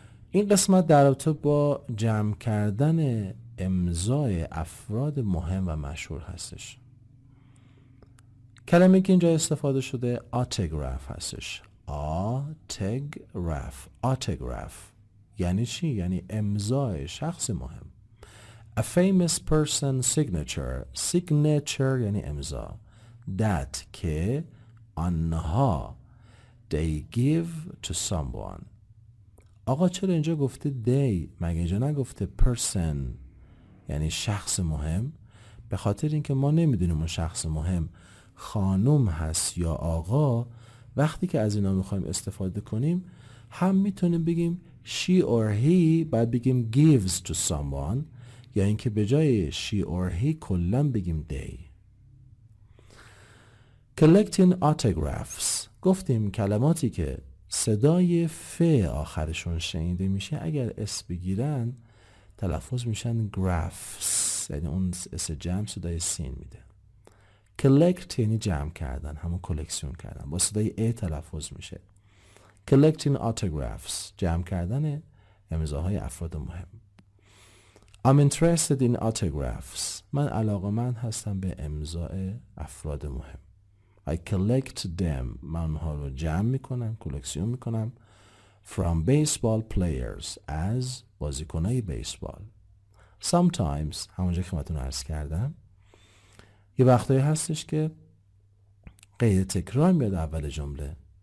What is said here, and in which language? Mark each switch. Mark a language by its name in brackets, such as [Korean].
[Persian] این قسمت در رابطه با جمع کردن امضای افراد مهم و مشهور هستش. کلمه که اینجا استفاده شده آتگراف هستش. آتگراف. آتگراف. یعنی چی؟ یعنی امضای شخص مهم. [English] A famous person signature. [Persian] Signature یعنی امضا. [English] That [Persian] که آنها [English] they give to someone. [Persian] آقا چرا اینجا گفته they؟ مگه اینجا نگفته person یعنی شخص مهم؟ به خاطر اینکه ما نمیدونیم اون شخص مهم خانم هست یا آقا. وقتی که از اینا میخوایم استفاده کنیم هم میتونیم بگیم [English] she or he، [Persian] بعد بگیم [English] gives to someone، [Persian] یا یعنی اینکه به جای she or he کلن بگیم they. [English] Collecting autographs. [Persian] گفتیم کلماتی که صدای ف آخرشون شنیده میشه اگر اس بگیرن تلفظ میشن graphs، یعنی اون اس جمع صدای سین میده. Collect یعنی جمع کردن، همون کلکسیون کردن، با صدای ای تلفظ میشه. [English] Collecting autographs [Persian] جمع کردن امضاهای افراد مهم. [English] I'm interested in autographs. [Persian] من علاقمند هستم به امضای افراد مهم. [English] I collect them. [Persian] من اونها رو جمع میکنم، کلکسیون میکنم. [English] From baseball players. [Persian] از بازیکنای بیسبال. [English] Sometimes. [Persian] همونجا که خدمتتون عرض کردم. یه وقتایی هستش که قید تکرار میاد اول جمله.